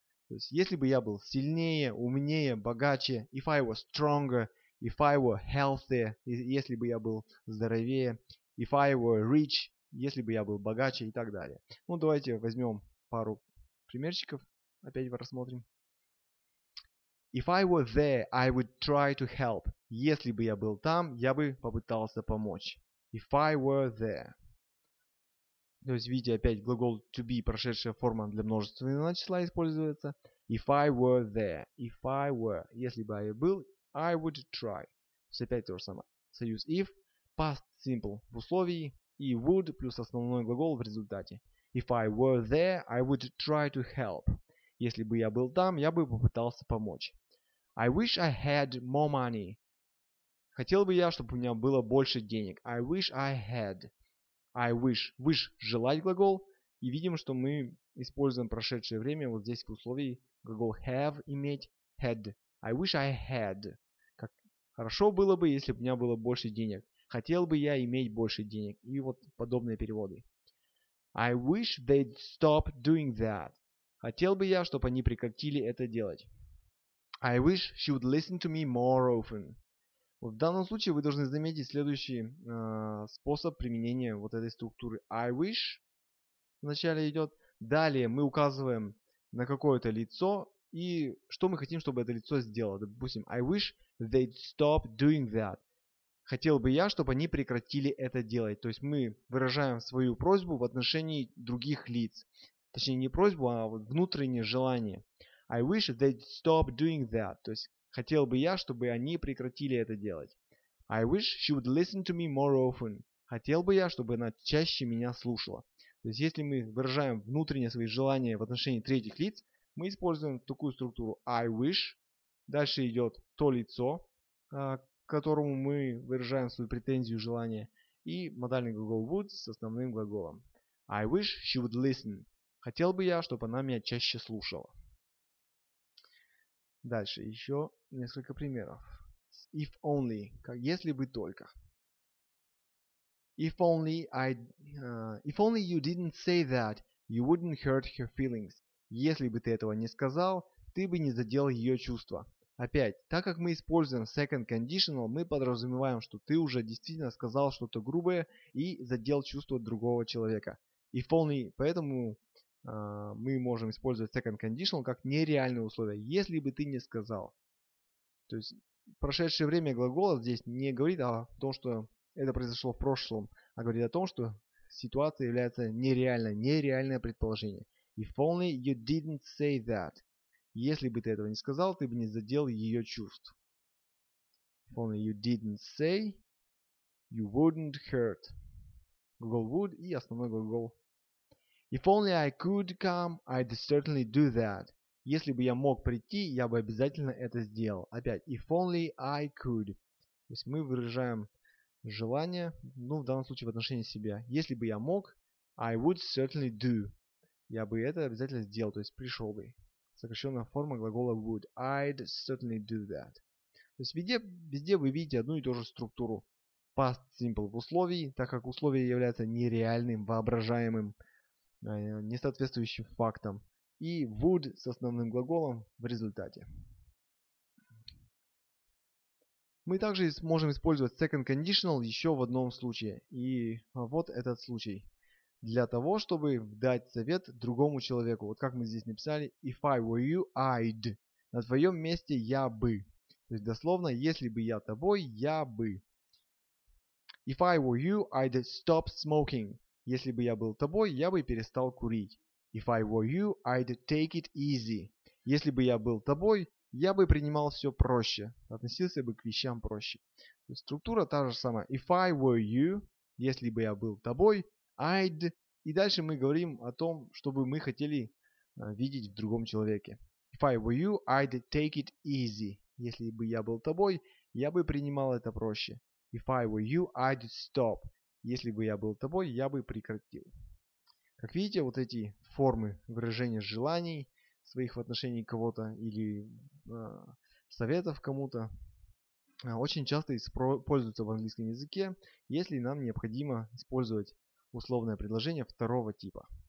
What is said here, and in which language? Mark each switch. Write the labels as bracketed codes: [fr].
[ru] То есть, если бы я был сильнее, умнее, богаче. [en] If I were stronger. If I were healthier. [ru] Если бы я был здоровее. [en] If I were rich. [ru] Если бы я был богаче и так далее. Ну, давайте возьмем пару примерчиков. Опять рассмотрим. [en] If I were there, I would try to help. [ru] Если бы я был там, я бы попытался помочь. [en] If I were there. [ru] То есть, видите, опять глагол to be, прошедшая форма для множественного числа используется. [en] If I were there. If I were. [ru] Если бы я был, [en] I would try. [ru] То есть, опять то же самое. Союз if. Past simple в условии. И would плюс основной глагол в результате. [en] If I were there, I would try to help. [ru] Если бы я был там, я бы попытался помочь. [en] I wish I had more money. [ru] Хотел бы я, чтобы у меня было больше денег. [en] I wish I had. I wish. Wish – [ru] желать глагол. И видим, что мы используем прошедшее время вот здесь в условии глагол have – иметь, had. [en] I wish I had. [ru] Как хорошо было бы, если бы у меня было больше денег. Хотел бы я иметь больше денег. И вот подобные переводы. [en] I wish they'd stop doing that. [ru] Хотел бы я, чтобы они прекратили это делать. [en] I wish she would listen to me more often. [ru] В данном случае вы должны заметить следующий способ применения вот этой структуры. [en] I wish [ru] вначале идет. Далее мы указываем на какое-то лицо и что мы хотим, чтобы это лицо сделало. Допустим, [en] I wish they'd stop doing that. [ru] Хотел бы я, чтобы они прекратили это делать. То есть мы выражаем свою просьбу в отношении других лиц. Точнее, не просьбу, а внутреннее желание. [en] I wish they'd stop doing that. [ru] То есть, хотел бы я, чтобы они прекратили это делать. [en] I wish she would listen to me more often. [ru] Хотел бы я, чтобы она чаще меня слушала. То есть, если мы выражаем внутренние свои желания в отношении третьих лиц, мы используем такую структуру [en] I wish. [ru] Дальше идет то лицо, к которому мы выражаем свою претензию, желание. И модальный глагол would с основным глаголом. [en] I wish she would listen. [ru] Хотел бы я, чтобы она меня чаще слушала. Дальше еще несколько примеров. [en] If only, [ru] как если бы только. [en] If only you didn't say that, you wouldn't hurt her feelings. [ru] Если бы ты этого не сказал, ты бы не задел ее чувства. Опять, так как мы используем second conditional, мы подразумеваем, что ты уже действительно сказал что-то грубое и задел чувства другого человека. [en] If only, [ru] поэтому мы можем использовать second conditional как нереальное условие, если бы ты не сказал. То есть прошедшее время глагола здесь не говорит о том, что это произошло в прошлом, а говорит о том, что ситуация является нереальной, нереальное предположение. [en] If only you didn't say that. [ru] Если бы ты этого не сказал, ты бы не задел ее чувств. [en] If only you didn't say, you wouldn't hurt. [ru] Глагол would и основной глагол. [en] If only I could come, I'd certainly do that. [ru] Если бы я мог прийти, я бы обязательно это сделал. Опять, [en] if only I could. [ru] То есть мы выражаем желание, ну, в данном случае в отношении себя. Если бы я мог, [en] I would certainly do. [ru] Я бы это обязательно сделал, то есть пришел бы. Сокращенная форма глагола would. [en] I'd certainly do that. [ru] То есть везде вы видите одну и ту же структуру. Past simple в условии, так как условие является нереальным, воображаемым, не соответствующим фактам. И would с основным глаголом в результате. Мы также можем использовать second conditional еще в одном случае. И вот этот случай. Для того, чтобы дать совет другому человеку. Вот как мы здесь написали. [en] If I were you, I'd. [ru] На твоем месте я бы. То есть дословно, если бы я тобой, я бы. [en] If I were you, I'd stop smoking. [ru] Если бы я был тобой, я бы перестал курить. [en] If I were you, I'd take it easy. [ru] Если бы я был тобой, я бы принимал все проще. Относился бы к вещам проще. То есть структура та же самая. [en] If I were you, [ru] если бы я был тобой, [en] I'd... [ru] И дальше мы говорим о том, что бы мы хотели видеть в другом человеке. [en] If I were you, I'd take it easy. [ru] Если бы я был тобой, я бы принимал это проще. [en] If I were you, I'd stop. [ru] Если бы я был тобой, я бы прекратил. Как видите, вот эти формы выражения желаний своих в отношении кого-то или советов кому-то очень часто используются в английском языке, если нам необходимо использовать условное предложение второго типа.